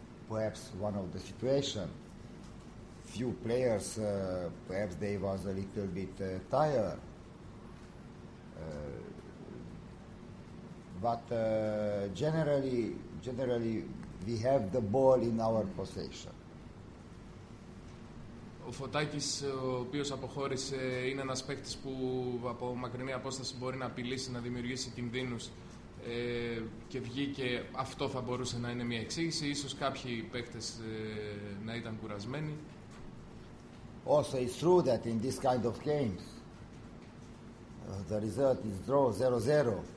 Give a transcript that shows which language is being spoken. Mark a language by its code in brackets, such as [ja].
[en] Perhaps one of the situation. Few players, perhaps they was a little bit tired. But generally, we have the ball in our possession. [el] Ο Φωτάκης, ο οποίος αποχώρησε, είναι ένας παίκτης που από μακρινή απόσταση μπορεί να απειλήσει, να δημιουργήσει κινδύνους και βγήκε. Αυτό θα μπορούσε να είναι μια εξήγηση. Ίσως κάποιοι παίκτες να ήταν κουρασμένοι. [en] Also, it's true that in this kind of games, the result is draw 0-0.